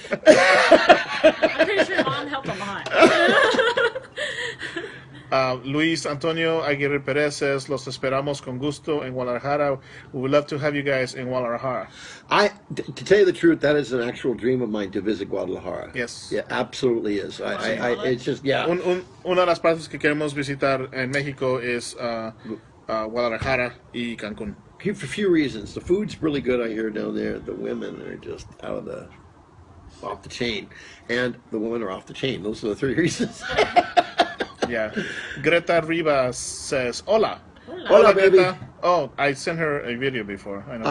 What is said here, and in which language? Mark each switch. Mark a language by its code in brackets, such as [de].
[en] I'm pretty sure mom helped a lot. [es] Luis Antonio Aguirre Perez says, los esperamos con gusto en Guadalajara. [en] We would love to have you guys in Guadalajara. To tell you the truth, that is an actual dream of mine, to visit Guadalajara. Yes. Yeah, absolutely is. It's just, yeah. [es] Una de las partes que queremos visitar en México es Guadalajara y Cancún. [en] For a few reasons. The food's really good, I hear, down there. The women are just off the chain. And the women are off the chain. Those are the three reasons. Yeah. Greta Rivas says, hola. [es] Hola, Greta. [en] Oh, I sent her a video before. I know.